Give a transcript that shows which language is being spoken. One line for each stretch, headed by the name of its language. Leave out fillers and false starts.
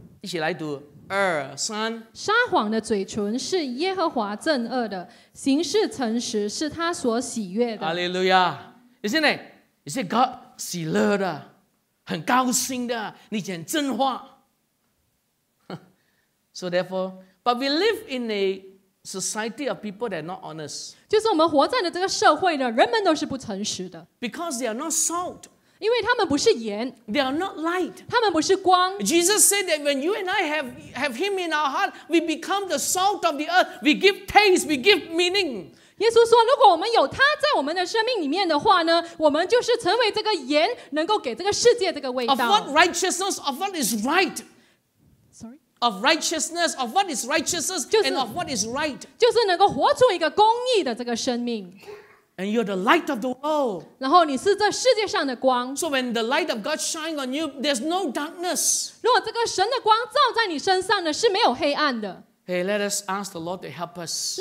Chinese: 一起来读二三。撒谎的嘴唇是耶和华憎恶的，行事诚实是他所喜悦的。
English: Hallelujah, isn't it?
Chinese: 你是 God 喜乐的，很高兴的，你讲真话。
English: So therefore, but we live in a society of people that are not honest.
Chinese: 就是我们活在的这个社会呢，人们都是不诚实的。
English: Because they are not salt.
Chinese: 因为他们不是盐。
English: They are not light.
Chinese: 他们不是光。
English: Jesus said that when you and I have Him in our heart, we become the salt of the earth. We give taste. We give meaning.
Chinese: 耶稣说，如果我们有他在我们的生命里面的话呢，我们就是成为这个盐，能够给这个世界这个味道。
English: Of what righteousness, of what is right? Sorry? Of righteousness, of what is righteousness,
Chinese: 就是、
English: and of what is right?
Chinese: 就是能够活出一个公义的这个生命。
English: And you're the light of the world.
Chinese: 然后你是这世界上的光。
English: So when the light of God shines on you, there's no darkness.
Chinese: 如果这个神的光照在你身上呢，是没有黑暗的。
English: Hey, let us ask the Lord to help us.